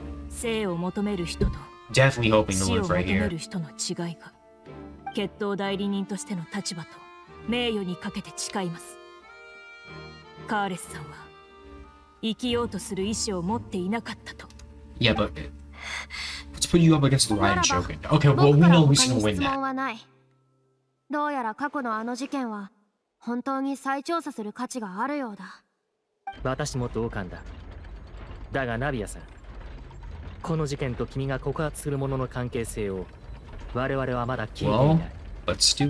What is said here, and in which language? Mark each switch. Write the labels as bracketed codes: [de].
[ja] 生を求める人と、 [en] Definitely hoping to live right here. [ja] 死を求める人の違いが、決闘代理人としての立場と、名誉にかけて誓います。カーレスさんは、生きようとする意志を持っていなかったと。 [en] Yeah, but let's put you up against the lion choking. Okay, well, we know he's gonna win that. [ja] どうやら過去のあの事件は、本当に再調査する価値があるようだ。私も同感だ。だがナビアさん、この事件と君が告発する者の関係性を我々はまだ聞いていない。 [en] Well,